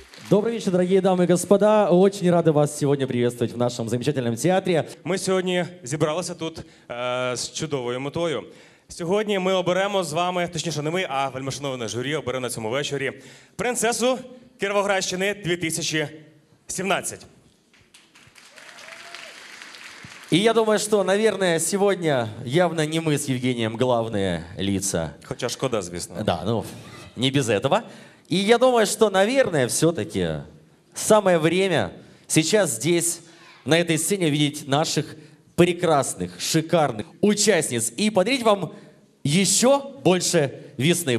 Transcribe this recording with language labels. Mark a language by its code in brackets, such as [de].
[ru] Добрый вечер, дорогие дамы и господа. Очень рады вас сегодня приветствовать в нашем замечательном театре. Мы сегодня [uk] зібралися тут с чудовою метою. Сьогодні ми оберемо з вами, точніше не ми, а вельмишановане журі обере на цьому вечорі принцесу Кіровоградщини 2017. [ru] И я думаю, что, наверное, сегодня явно не мы с Евгением главные лица. [uk] Хоча шкода, звісно. [ru] Да, ну, не без этого. И я думаю, что, наверное, все-таки самое время сейчас здесь, на этой сцене, видеть наших прекрасных, шикарных участниц и подарить вам еще больше весны.